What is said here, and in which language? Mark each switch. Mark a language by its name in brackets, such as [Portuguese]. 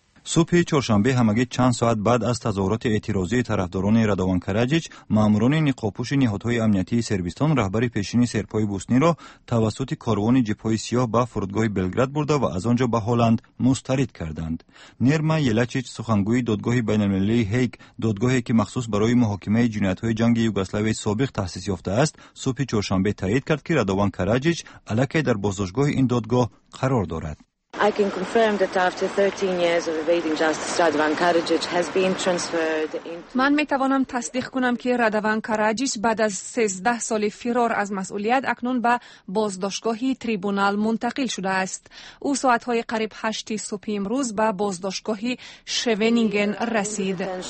[Persian] صبح چهارشنبه همگی چند ساعت بعد از تظاهرات اعتراضی طرفداران رادوان کراجیچ، ماموران نیقاب‌پوش نهادهای امنیتی سربستان رهبری پیشینی سرپای بوسنی را توسط کاروان جیپ‌های سیاه به فرودگاه بلگراد برده و از آنجا به هلند مسترد کردند. نرما یلاچیچ، سخنگوی دادگاه بین‌المللی هیگ، دادگاهی که مخصوص برای محاکمه جنایت‌های جنگ یوگسلاوی سابق تأسیس یافته است، صبح چهارشنبه تایید کرد که رادوان کراجیچ الکی در بازداشتگاه این دادگاه قرار دارد. [English] I can confirm that after 13 years of evading justice, Radovan Karadzic has been transferred into... [Persian] من می توانم تصدیق کنم که رادوان کراجیچ بعد از 13 سال فرار از مسئولیت اکنون به بازداشتگاهی تریبونال منتقل شده است. او ساعت‌های قریب 8 صبح امروز به بازداشتگاهی شوینینگن رسید.